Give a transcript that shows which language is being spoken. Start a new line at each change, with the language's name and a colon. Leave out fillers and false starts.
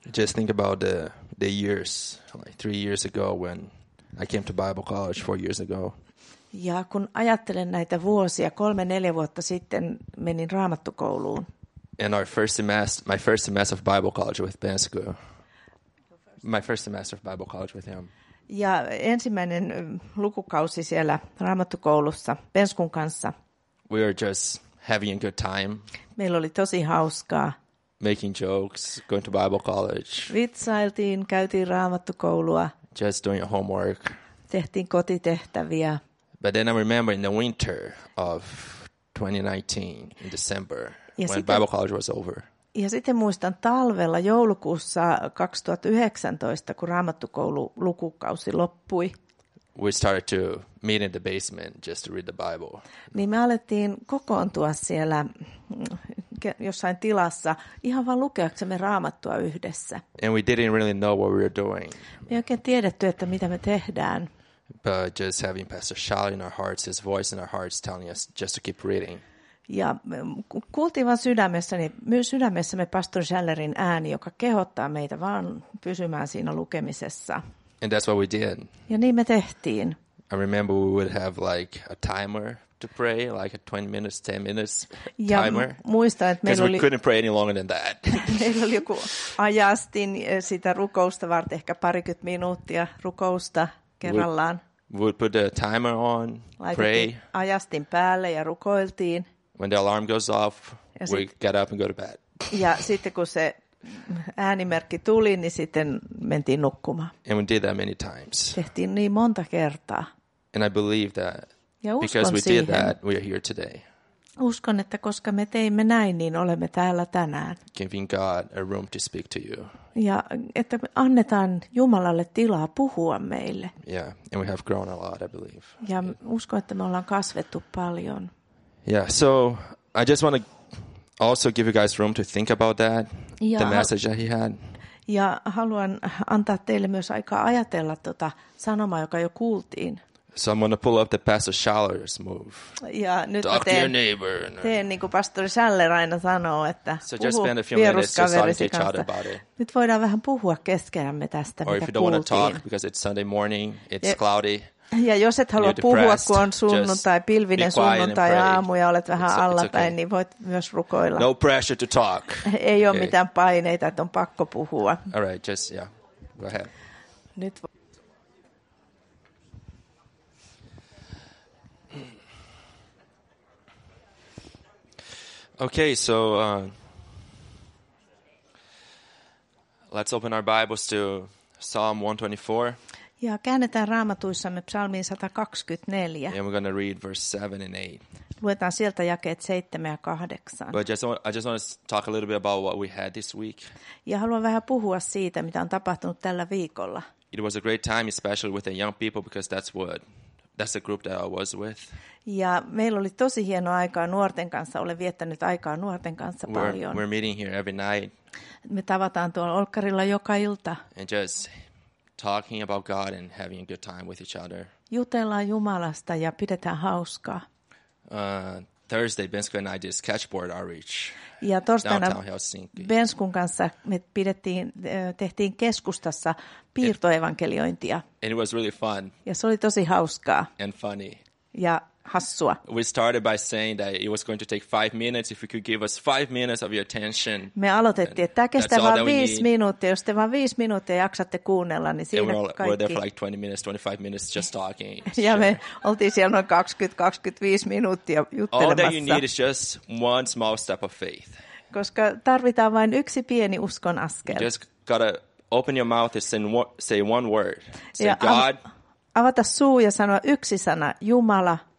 English: Just think about the years, like 3 years ago when I came to Bible college 4 years ago.
Finnish: Ja kun ajattelen näitä vuosia, 3-4 vuotta sitten menin raamattukouluun.
English: And our first semester, my first semester of Bible college with Bensku. My first semester of Bible college with him.
Finnish: Ja ensimmäinen lukukausi siellä raamattukoulussa Benskun kanssa.
English: We were just having a good time.
Finnish: Meillä oli tosi hauskaa.
English: Making jokes, going to Bible college.
Finnish: Vitsailtiin, käytiin raamattukoulua.
English: Just doing your homework.
Finnish: Tehtiin kotitehtäviä.
English: But then I remember in the winter of 2019, in December,
Finnish: ja
English: when Bible college was over.
Finnish: Ja sitten muistan talvella joulukuussa 2019, kun raamattukoulu lukukausi loppui.
English: We started to meet in the basement just to read the Bible.
Finnish: Niin me alettiin kokoontua siellä jossain tilassa, ihan vaan lukeaksemme raamattua yhdessä.
English: And we didn't really know what we were doing.
Finnish: Me ei oikein tiedetty, että mitä me tehdään.
English: but just having Pastor Charlie in our hearts, his voice in our hearts telling us just to keep reading.
Finnish: Ja kuultiin vaan sydämessämme Pastor Schallerin ääni, joka kehottaa meitä vaan pysymään siinä lukemisessa.
English: And that's what we did.
Finnish: Ja niin me tehtiin.
English: I remember we would have like a timer to pray, like a 20 minutes, 10 minutes
Finnish: ja
English: timer.
Finnish: Muistan, että meillä oli...
English: Because we couldn't pray any longer than that.
Finnish: Meillä oli joku ajastin sitä rukousta varten, ehkä parikymmentä minuuttia rukousta kerrallaan.
English: We would put the timer on, pray.
Finnish: Ajastin päälle ja rukoiltiin.
English: When the alarm goes off, we get up and go to bed.
Finnish: Ja sitten kun se äänimerkki tuli, niin sitten mentiin nukkumaan.
English: And we did that many times.
Finnish: Tehtiin niin monta kertaa.
English: And I believe that because we did that, we are here today.
Finnish: Uskon, että koska me teimme näin, niin olemme täällä tänään.
English: Giving God a room to speak to you.
Finnish: Ja että me annetaan Jumalalle tilaa puhua meille.
English: Yeah, and we have grown a lot, I believe.
Finnish: Ja uskon, että me ollaan kasvettu paljon.
English: Yeah, so I just want to also give you guys room to think about that, the message that he had.
Finnish: Ja haluan antaa teille myös aikaa ajatella tota sanomaa, joka jo kuultiin.
English: So I'm going to pull up the Pastor Schaller's move.
Finnish: Ja nyt
English: talk to your neighbor.
Finnish: Teen niin kuin Pastor Schaller aina sanoo, että
English: so just spend a few minutes just talking to each other about it.
Finnish: Nyt voidaan vähän puhua keskenämme tästä,
English: or
Finnish: mitä
English: if you don't
Finnish: kuultiin.
English: Want to talk because it's Sunday morning, it's cloudy.
Finnish: Ja jos et halua puhua, kun on sunnuntai, pilvinen sunnuntai aamu ja olet vähän allapäin, okay. Niin voit myös rukoilla.
English: No pressure to talk.
Finnish: Ei ole mitään paineita, että on pakko puhua.
English: All right, just, yeah, go ahead.
Finnish: Nyt.
English: Okay, so let's open our Bibles to Psalm 124.
Finnish: Ja käännetään Raamatuissamme psalmiin 124.
English: And we're going to read verse 7 and 8.
Finnish: Luetaan sieltä jakeet 7 ja 8.
English: But I just want to talk a little bit about what we had this week.
Finnish: Ja haluan vähän puhua siitä, mitä on tapahtunut tällä viikolla.
English: It was a great time, especially with the young people, because that's the group that I was with.
Finnish: Ja meillä oli tosi hieno aikaa nuorten kanssa. Olen viettänyt aikaa nuorten kanssa paljon.
English: We're meeting here every night.
Finnish: Me tavataan tuolla Olkkarilla joka ilta.
English: And just talking about God and having a good time with each other.
Finnish: Jutellaan Jumalasta ja pidetään hauskaa.
English: Thursday, Bensku and I did catchboard outreach.
Finnish: Ja torstaina Benskun kanssa me tehtiin keskustassa piirtoevankeliointia.
English: And it was really fun.
Finnish: Ja se oli tosi hauskaa.
English: And funny.
Finnish: Ja hassua.
English: We started by saying that it was going to take 5 minutes if you could give us 5 minutes of your attention.
Finnish: Me aloitettiin, että kestää vain 5 minuuttia, jos te vain 5 minuuttia jaksatte kuunnella, niin siinä kaikki.
English: We're there for like 20 minutes, 25 minutes just talking.
Finnish: Ja me oltiin siellä noin 20-25 minuuttia juttelemassa.
English: All that you need is just one small step of faith.
Finnish: Koska tarvitaan vain yksi pieni uskon askel.
English: You just gotta open your mouth and say one word. Say ja God.
Finnish: Avata suu ja sanoa yksi sana, Jumala.